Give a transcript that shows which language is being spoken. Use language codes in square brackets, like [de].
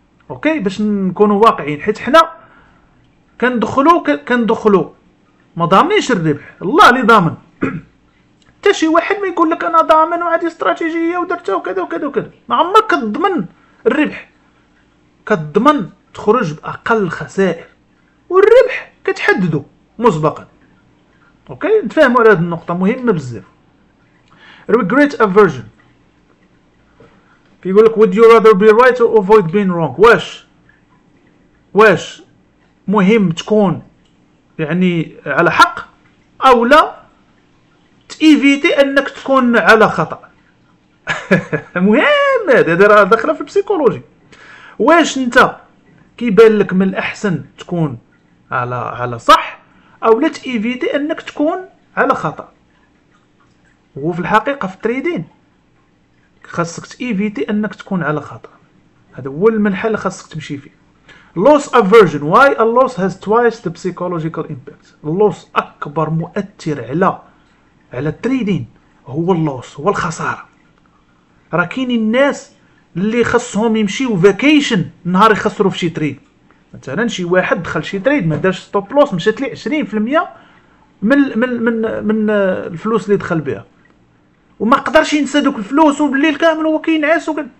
[ar] اوكي، باش نكونوا واقعيين، حيت حنا كندخلوا ما ضامنينش الربح، الله اللي ضامن. حتى شي واحد ما يقول لك انا ضامن وعندي استراتيجيه ودرتها وكذا وكذا وكذا، ما عمرك كتضمن الربح، كتضمن تخرج باقل الخسائر، والربح كتحددو مسبقا. اوكي، نتفاهموا على هذه النقطه مهمه بزاف. [en] regret aversion [ar] كيقول لك [en] would you rather be right or avoid being wrong. [ar] واش مهم تكون يعني على حق او لا تيفيتي انك تكون على خطا؟ مهم، هذا راه داخله في البسيكولوجي. واش انت كيبان لك من الاحسن تكون على صح او لا تيفيتي انك تكون على خطا؟ وفي الحقيقه في التريدين خاصك تيفيتي انك تكون على خطا، هذا هو المنحل اللي خاصك تمشي فيه. [en] loss aversion. why a loss has twice the psychological impact. [ar] loss اكبر مؤثر على التريدين هو loss، هو الخساره. راه كاينين الناس اللي خاصهم يمشيو فاكيشن نهار يخسروا في شي تريد. مثلا شي واحد دخل شي تريد ما دارش ستوب لوس، مشات ليه 20% من من من من الفلوس اللي دخل بها، وما قدرش ينسى دوك الفلوس، وبالليل كامل هو كينعس.